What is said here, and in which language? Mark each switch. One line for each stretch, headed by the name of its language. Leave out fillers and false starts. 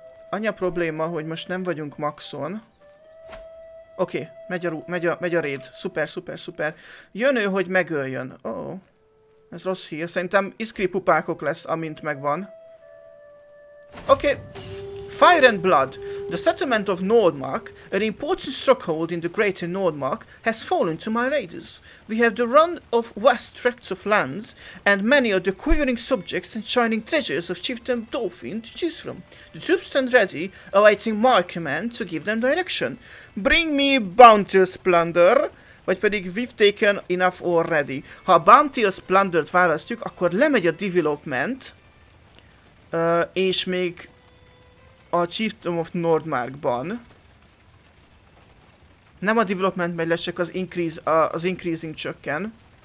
Hungarian: Annyi a probléma, hogy most nem vagyunk maxon. Oké, megy a raid. Szuper. Jön ő, hogy megöljön. Oh, ez rossz hír. Szerintem iskri pupákok lesz, amint megvan.
English: Oké. Fire and blood. The settlement of Nordmark, an important stronghold in the greater Nordmark, has fallen to my raiders. We have the run of vast tracts of lands, and many are the quivering subjects and shining treasures of Chieftain Dolphin to choose from. The troops stand ready, awaiting my command to give them direction. Bring me bounteous plunder,
Hungarian: vagy pedig
English: we've taken enough already.
Hungarian: Ha a bounteous plundert választjuk, akkor lemegy a development, és még... a Chieftain of Nordmarkban. Nem a development megy le, csak az increasing csökken.